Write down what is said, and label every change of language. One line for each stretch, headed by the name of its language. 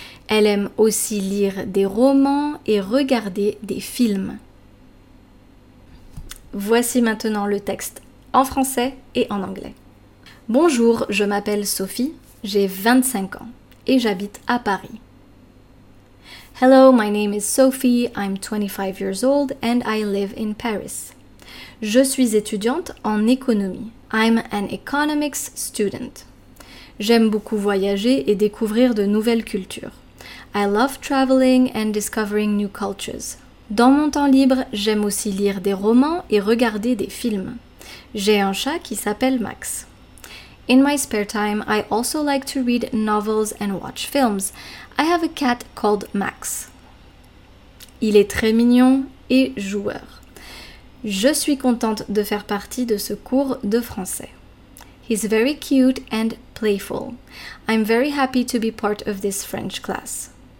French: Elle aime aussi lire des romans et regarder des films. Voici maintenant le texte en français et en anglais. Bonjour, je m'appelle Sophie, j'ai 25 ans et j'habite à Paris.
English: Hello, my name is Sophie, I'm 25 years old and I live in Paris.
French: Je suis étudiante en économie.
English: I'm an economics student.
French: J'aime beaucoup voyager et découvrir de nouvelles cultures.
English: I love traveling and discovering new cultures.
French: Dans mon temps libre, j'aime aussi lire des romans et regarder des films. J'ai un chat qui s'appelle Max.
English: In my spare time, I also like to read novels and watch films. I have a cat called Max.
French: Il est très mignon et joueur. Je suis contente de faire partie de ce cours de français.
English: He's very cute and playful. I'm very happy to be part of this French class.